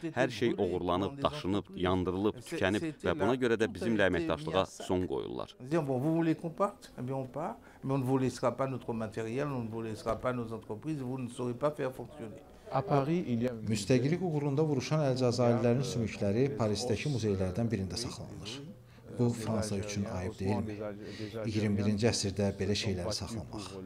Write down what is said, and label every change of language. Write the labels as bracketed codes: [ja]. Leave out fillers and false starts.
[az] Hər şey oğurlanıb, daşınıb, yandırılıb, tükənib və buna görə də bizimlə əməkdaşlığa son qoyurlar. [fr] Vous voulez qu'on parte? Eh bien, on part. Mais on ne vous laissera pas notre matériel, on ne vous laissera pas nos entreprises, vous ne saurez pas faire fonctionner. A Paris, il y a [az] müstəqillik uğrunda vuruşan Əlcəzairlilərin sümükləri Parisdəki muzeylərdən birində saxlanılır. Bu, Fransa üçün ayıb deyilmi? 21-ci əsrdə belə şeyləri saxlamaq.